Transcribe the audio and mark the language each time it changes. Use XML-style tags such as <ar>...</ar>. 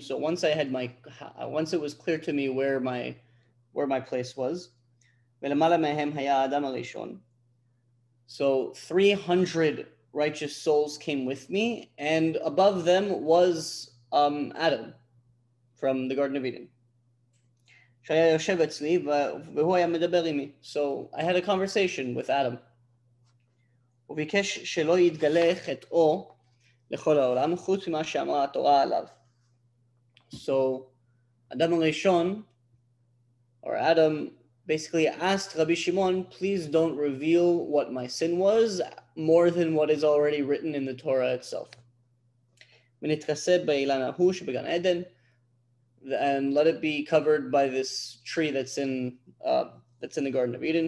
<en>So once I had my, once it was clear to me where my place was,</en> <he>ולמעלה מהם היה האדם הראשון.</he> <en>So 300 righteous souls came with me, and above them was Adam from the Garden of Eden.</en> <he>שהיה יושב אצלי והוא היה מדבר עמי.</he> <en>So I had a conversation with Adam.</en> <he>הוא ביקש שלא יתגלה חטאו לכל העולם חוץ ממה שאמרה התורה עליו.</he> <en>So אדם הראשון, or Adam, basically asked Rabbi Shimon, please don't reveal what my sin was more than what is already written in the Torah itself.</en> <he>ונתרסה באילן ההוא שבגן עדן,</he> <en>and let it be covered by this tree that's in the Garden of Eden.</en>